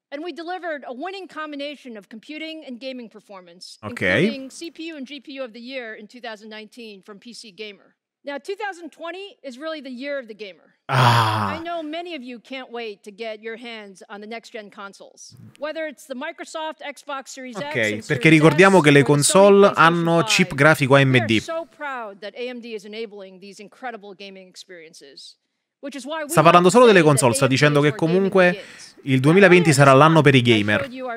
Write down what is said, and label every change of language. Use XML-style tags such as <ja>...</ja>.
<en>And we delivered a winning combination of computing and gaming performance, okay, including CPU and GPU of the year in 2019 from PC Gamer. Now, 2020 is really the year of the gamer. I know many of you can't wait to get your hands on the next-gen consoles. Whether it's the Microsoft Xbox Series X, okay,</en> <it>perché ricordiamo che le console hanno chip grafico AMD.</it> <en>We are so proud that AMD is enabling these incredible gaming experiences.</en> <it>Sta parlando solo delle console, sta dicendo che comunque il 2020 sarà l'anno per i gamer.</it>